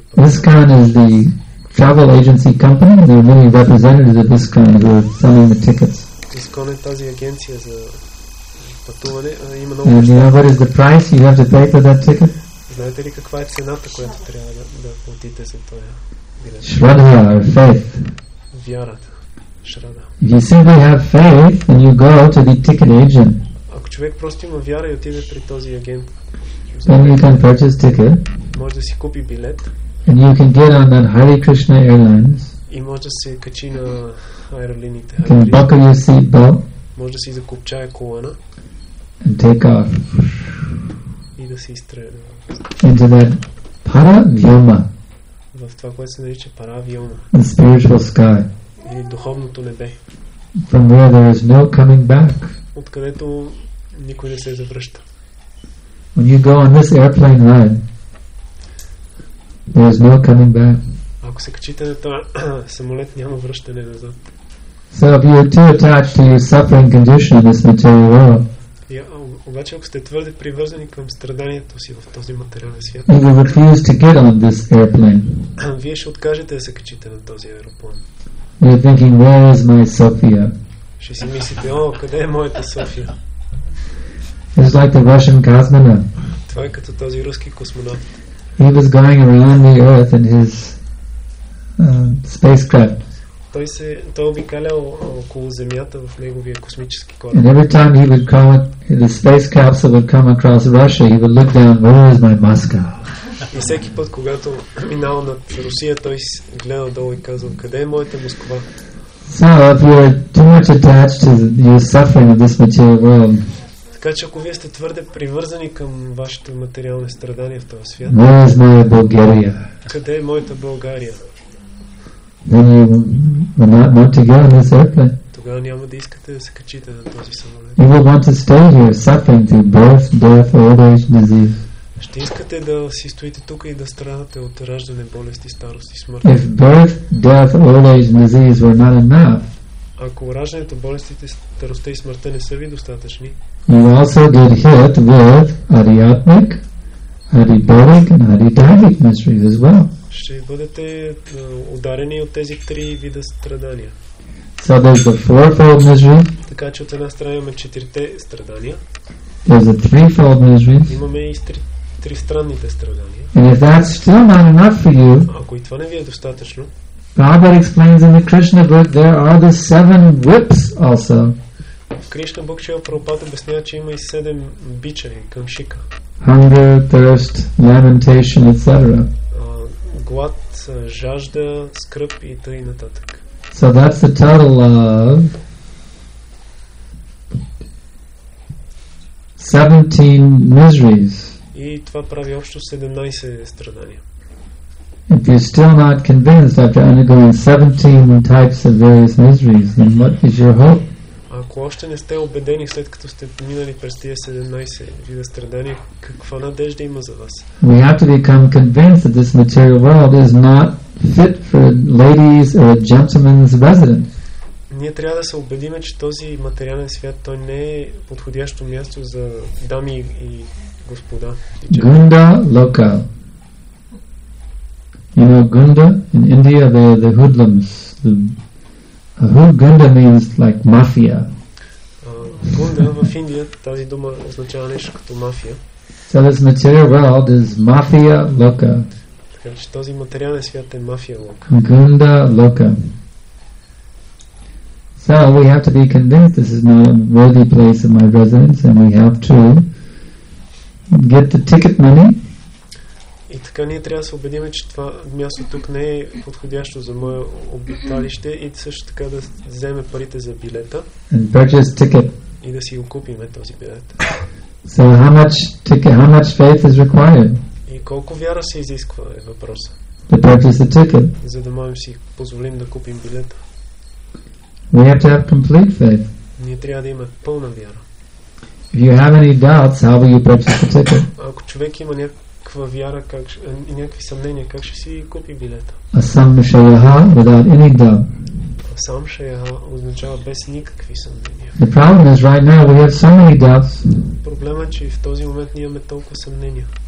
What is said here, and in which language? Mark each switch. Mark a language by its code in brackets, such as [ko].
[en] ISKCON is the travel agency company. They are many representatives of ISKCON who are selling the tickets. [bg] ISKCON е тази агенция за пътуване. [en] And you know what is the price you have to pay for that ticket? [bg] Знаете ли каква е цената, която трябва да платите за този билет? [en] Shraddha or faith. [bg] Вярата. Shraddha. [en] If you simply have faith and you go to the ticket agent. [bg] Ако човек просто има вяра и отиде при този агент. [en] Then you can purchase ticket. [bg] Може да си купи билет. [en] And you can get on that Hare Krishna Airlines. [bg] И може да се качи на аеролините. [en] Can buckle your seat belt. [bg] Може да си закупчая колана. [en] And take off. [bg] И да се изстреля. [en] Into that Paravyoma. [bg] В това, което се нарича Paravyoma. [en] The spiritual sky. [bg] И духовното небе. [en] From where there is no coming back. [bg] Откъдето никой не се завръща. [en] When you go on this airplane ride, there is no coming back. [bg] Ако се качите на този самолет, няма връщане назад. [en] So if you are too attached to your suffering condition in this material world, [bg] обаче ако сте твърде привързани към страданието си в този материален свят, [en] you will refuse to get on this airplane. [bg] Вие ще откажете да се качите на този аероплан. [en] You are thinking, where is my Sophia? [bg] Ще си мислите, о, къде е моята София? [en] It's like the Russian cosmonaut. [bg] Това е като този руски космонавт. [en] He was going around the Earth in his spacecraft. [bg] Той обикалял около Земята в неговия космически кораб. [en] And every time he would come, the space capsule would come across Russia, he would look down, where is my Moscow? [bg] И всеки път, когато минал над Русия, той гледал долу и казал, къде е моята Москва? [en] So if you are too much attached to your suffering of this material world, [bg] така че ако вие сте твърде привързани към вашето материално страдание в този свят, [en] where is my Bulgaria? [bg] Къде е моята България? [en] Then you will not want to get on this airplane. [bg] Тогава няма да искате да се качите на този самолет. [en] You will want to stay here, suffering through birth, death, old age, disease. [bg] Ще искате да си стоите тук и да страдате от раждане, болести, старост и смърт. [en] If birth, death, old age, disease were not enough, [bg] ако раждането, болестите, старостта и смъртта не са ви достатъчни, [en] you also get hit with adiatmic, adiboric and adidavic mysteries as well. [bg] Ще бъдете ударени от тези три вида страдания. [en] So there's the fourfold misery. [bg] Така че от една страна имаме четирите страдания. [en] There's a threefold misery. [bg] Имаме и тристранните страдания. [en] And if that's still not enough for you, [bg] ако и това не ви е достатъчно, [en] Prabhupada explains in the Krishna book there are the seven whips also. [bg] Кришна Бог чел Прабхупада обяснява, че има и седем бичари, камшика. [en] Hunger, thirst, lamentation, etc. [bg] Глад, жажда, скръп и тъй нататък. [en] So that's the total of 17 miseries. [bg] И това прави общо 17 страдания. [en] If you're still not convinced after undergoing 17 types of various miseries, then what is your hope? [bg] Ако още не сте убедени, след като сте минали през тия 17 вида страдания, каква надежда има за вас? [en] We have to become convinced that this material world is not fit for a ladies or a gentleman's residence. [bg] Ние трябва да се убедим, че този материален свят той не е подходящо място за дами и господа. [hi] Гунда лока. [en] You know Gunda? In India they are the hoodlums. Gunda means like mafia. [bg] Gunda в Индия тази дума означава нещо като мафия. [en] So this material world is mafia loca. [bg] Така че този материален свят е мафия лока. [hi] Gunda loca. [en] So we have to be convinced this is not a worthy place of my residence, and we have to get the ticket money. [bg] И така ние трябва да се убедим, че това място тук не е подходящо за мое обиталище и също така да вземе парите за билета. [en] And purchase ticket. [bg] И да си го купим този билет. [en] So how much faith is required? [bg] И колко вяра се изисква е въпроса. [en] To purchase the ticket. [bg] За да можем си позволим да купим билета. [en] We have to have complete faith. [bg] Ние трябва да имаме пълна вяра. [en] If you have any doubts, how will you purchase the ticket? [bg] Ако човек има вяра, как, някакви съмнения, как ще си купи билета? [en] Асам шаяха, without any doubt. [bg] Асам шаяха означава без никакви съмнения. [en] The problem is right now we have so many doubts. [bg] Проблема е, че в този момент ние имаме толкова съмнения.